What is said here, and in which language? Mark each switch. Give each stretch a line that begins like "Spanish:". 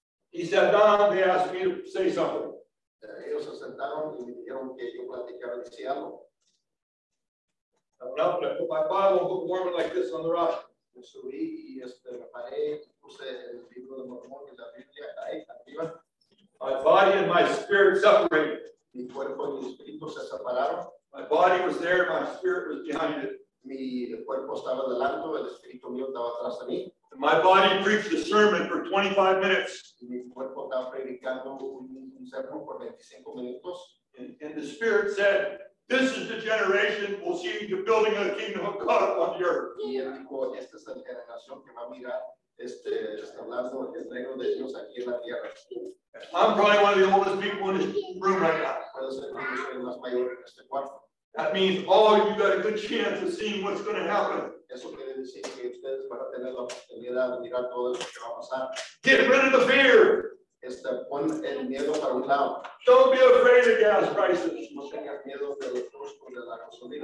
English: He sat down, they asked me to say something.
Spanish: ellos se sentaron y me dijeron que yo platicara de Seattle.
English: I'm not going to put my Bible bookmark like this on the rock.
Spanish: Me subí y me paré, puse el libro de Mormón y la Biblia ahí arriba.
English: My body and my spirit separated.
Spanish: Mi cuerpo y mi espíritu se separaron.
English: My body was there, my spirit was behind it.
Spanish: Mi cuerpo estaba delante, el espíritu mío estaba atrás de mí.
English: And my body preached a sermon for 25 minutes.
Spanish: Mi cuerpo estaba predicando un sermón por 25 minutos.
English: And the spirit said, this is the generation we'll see the building of the kingdom of God upon the earth.
Spanish: Y él dijo, esta es la generación que va a mirar. Hablando el reino de Dios aquí en la tierra.
English: I'm probably one of the oldest people in this room right now. That means all of you got a good chance of seeing what's going to happen.
Spanish: Eso quiere decir que ustedes van a tener la oportunidad de mirar todo lo que va a pasar.
English: Get rid of the fear.
Spanish: Pon el miedo para un lado.
English: Don't be afraid of gas prices.
Spanish: No tengas miedo de los costos de la gasolina.